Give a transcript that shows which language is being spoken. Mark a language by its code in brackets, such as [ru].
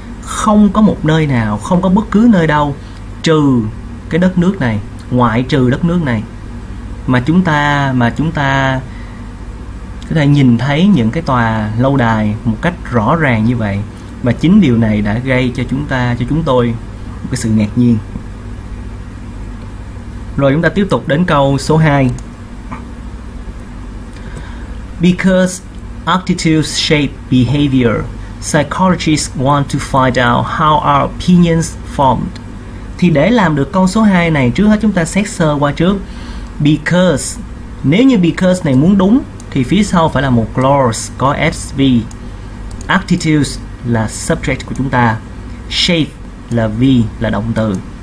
[vi] Không có một nơi nào, không có bất cứ nơi đâu trừ cái đất nước này, ngoại trừ đất nước này mà chúng ta có thể nhìn thấy những cái tòa lâu đài một cách rõ ràng như vậy. Và chính điều này đã gây cho chúng ta, cho chúng tôi một cái sự ngạc nhiên. Rồi chúng ta tiếp tục đến câu số 2. [en] Because attitudes shape behavior, psychologists want to find out how our opinions formed. [vi] Thì để làm được câu số 2 này, trước hết chúng ta xét sơ qua trước. Because, nếu như because này muốn đúng thì phía sau phải là một clause có SV. Attitudes là subject của chúng ta, shape là V là động từ.